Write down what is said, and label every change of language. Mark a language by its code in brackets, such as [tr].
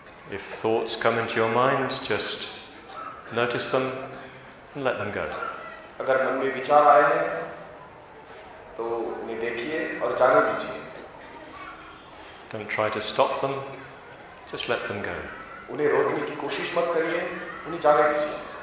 [en] If thoughts come into your mind, just notice them and let them go. [hi] अगर मन में विचार आए हैं, तो उन्हें देखिए और जाने दीजिए. [en] Don't try to stop them, just let them go. [hi] उन्हें रोकने की कोशिश मत करिए, उन्हें जाने दीजिए.